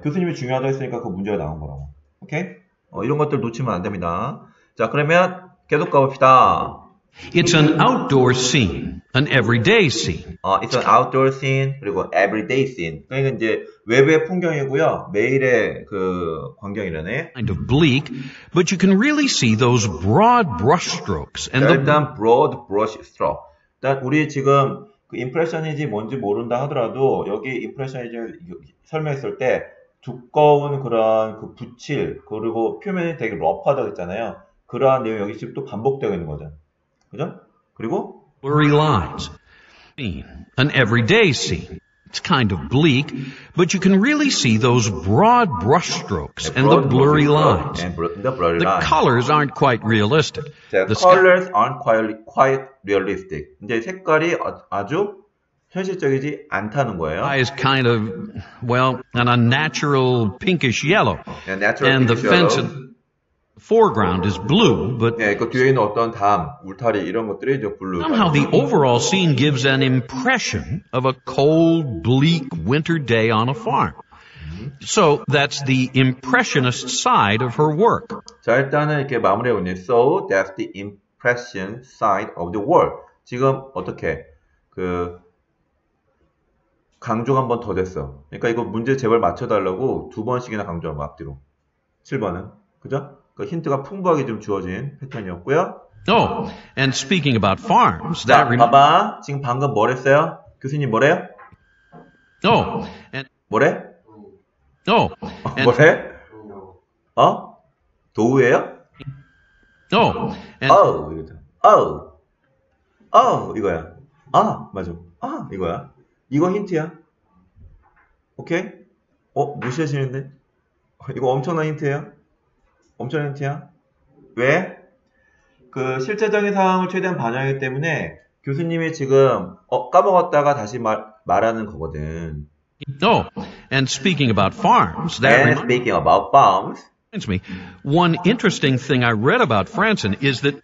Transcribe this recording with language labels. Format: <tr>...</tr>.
<ko>교수님이 중요하다고 했으니까 그 문제가 나온 거라고. 오케이? 이런 것들 놓치면 안 됩니다. 자, 그러면 계속 가봅시다.</ko> <en>It's an outdoor scene. An everyday scene. It's an outdoor scene.</en> <ko>그리고</ko> <en>everyday scene.</en> <ko>그러니까 이제 외부의 풍경이고요. 매일의 그 광경이라네.</ko> <en>Kind of bleak, but you can really see those broad brush strokes.</en> <ko>And 자, 일단 broad brush stroke. 일단 우리 지금 그 impressionism이 뭔지 모른다 하더라도 여기 impressionism을 설명했을 때 두꺼운 그런 그 붓질 그리고 표면이 되게 러프하다고 했잖아요. 그러한 내용 여기 지금 또 반복되고 있는 거죠. 그죠? 그리고</ko> <en>blurry lines. An everyday scene. It's kind of bleak, but you can really see those broad brush strokes and the blurry lines. The colors aren't quite realistic. The colors aren't quite realistic.</en> <ko>이제 색깔이 아주 현실적이지 않다는 거예요.</ko> <en>It's kind of, well, an unnatural pinkish yellow. And the fence. Foreground is blue, but</en> <ko>예, 그 뒤에 있는 어떤 담, 울타리 이런 것들이 좀 블루.</ko> <en>Somehow the overall scene gives an impression of a cold, bleak winter day on a farm. So that's the impressionist side of her work.</en> <ko>자, 일단은 이렇게 마무리해보니,</ko> <en>so that's the impression side of the work.</en> <ko>지금 어떻게 그 강조가 한 번 더 됐어. 그러니까 이거 문제 제발 맞춰달라고 두 번씩이나 강조한 거 앞뒤로. 7번은 그죠? 그 힌트가 풍부하게 좀 주어진 패턴이었고요.</ko> <en>Oh, and speaking about farms, 자, that remind.</en> <ko>봐봐, 지금 방금 뭐랬어요? 교수님 뭐래요?</ko> <en>Oh, and</en> <ko>뭐래?</ko> <en>Oh,</en> <ko>and 뭐래? 어? 도우예요?</ko> <en>And,</en> <ko>oh, 이거야. 아, 맞아. 아, 이거야. 이거 힌트야. 오케이? 어, 무시하시는데? 이거 엄청난 힌트예요. 엄청난 힌트야. 왜? 그 실제적인 상황을 최대한 반영하기 때문에 교수님이 지금 까먹었다가 다시 말하는 거거든.</ko> <en>Oh, and speaking about farms, that reminds speaking about farms. Reminds me, one interesting thing I read about Franzen is that.</en>